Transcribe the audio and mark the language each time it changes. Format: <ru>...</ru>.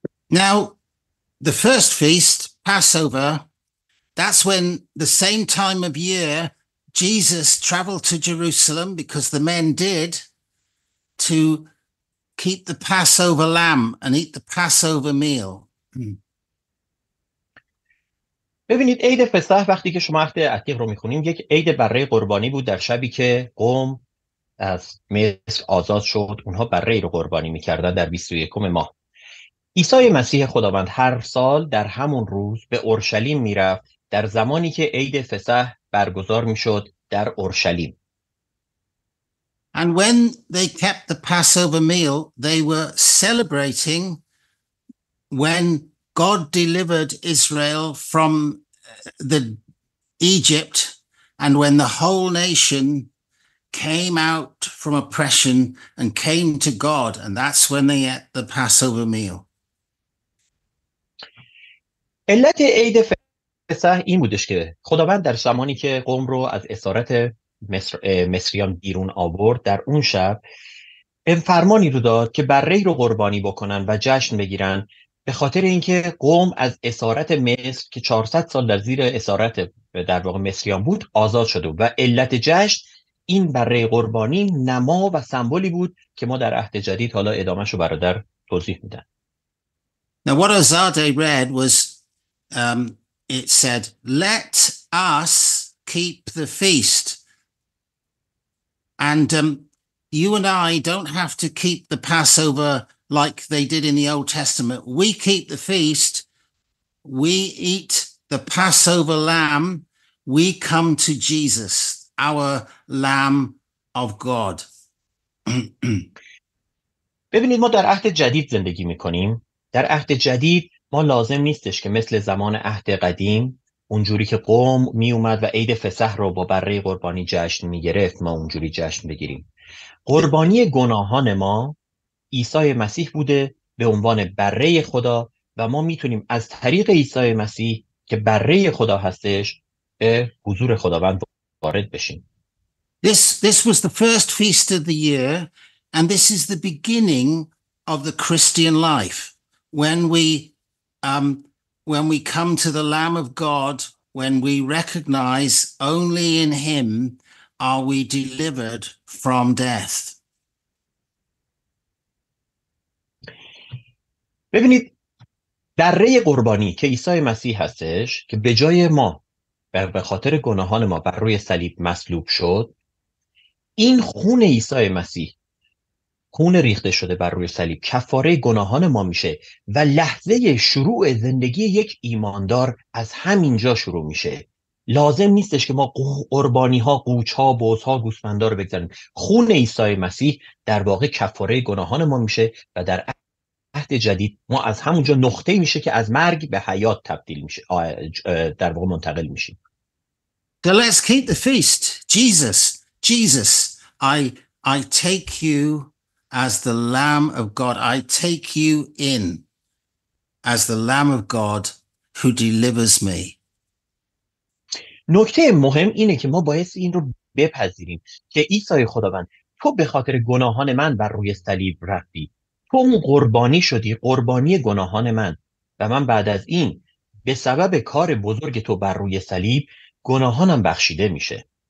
<en>Now, the first feast, Passover, that's when the same time of year Jesus traveled to Jerusalem because the men did to keep the Passover lamb and eat the Passover meal.</en> <fa>ببینید عید فصح وقتی که شما عهد عتیق رو میخونیم یک عید بره قربانی بود در شبی که قوم از مصر آزاد شد اونها بره رو قربانی میکردن در 21 ماه. عیسی مسیح خداوند هر سال در همون روز به اورشلیم میرفت در زمانی که عید فصح برگزار میشد در اورشلیم.</fa> <en>And when they kept the Passover meal, they were celebrating when God delivered Israel from the Egypt and when the whole nation came out from oppression and came to God, and that's when they ate the Passover meal.</en> <fa>علت عید فصح این بودش که خداوند در زمانی که قوم رو از اسارت مصریان بیرون آورد در اون شب فرمانی رو داد که بره رو قربانی بکنن و جشن بگیرن به خاطر اینکه قوم از اسارت مصر که 400 سال در زیر اسارت در واقع مصریان بود آزاد شد و علت جشن این بره قربانی نما و سمبولی بود که ما در عهد جدید حالا ادامهشو برادر توضیح میدن.</fa> <en>Now what Azadeh read was it said let us keep the feast and you and I don't have to keep the Passover like they did in the Old Testament. We keep the feast, we eat the Passover lamb, we come to Jesus, our lamb of God.</en> <fa>ببینید ما در عهد جدید زندگی میکنیم. در عهد جدید ما لازم نیستش که مثل زمان عهد قدیم اونجوری که قوم میومد و عید فصح رو با بره قربانی جشن میگرفت ما اونجوری جشن بگیریم. قربانی گناهان ما عیسی مسیح بوده به عنوان بره خدا و ما میتونیم از طریق عیسی مسیح که بره خدا هستش به حضور خداوند وارد بشیم.</fa> <en>This was the first feast of the year and this is the beginning of the Christian life when we come to the Lamb of God, when we recognize only in him are we delivered from death.</en> <fa>ببینید دره قربانی که عیسی مسیح هستش که به جای ما به خاطر گناهان ما بر روی صلیب مصلوب شد این خون عیسی مسیح خون ریخته شده بر روی صلیب کفاره گناهان ما میشه و لحظه شروع زندگی یک ایماندار از همینجا شروع میشه. لازم نیستش که ما قربانی ها قوچ ها بوز ها گوسفندا رو بگذاریم. خون عیسی مسیح در واقع کفاره گناهان ما میشه و در عهد جدید ما از همونجا نقطه میشه که از مرگ به حیات تبدیل میشه در واقع منتقل میشیم.</fa> <en>The last keep the feast. Jesus, I take you as the Lamb of God. I take you in as the Lamb of God who delivers me.</en> <fa>نکته مهم اینه که ما باید این رو بپذیریم که عیسی خداوند تو به خاطر گناهان من بر روی صلیب رفتی. تو اون قربانی شدی قربانی گناهان من و من بعد از این به سبب کار بزرگ تو بر روی صلیب گناهانم بخشیده میشه.</fa>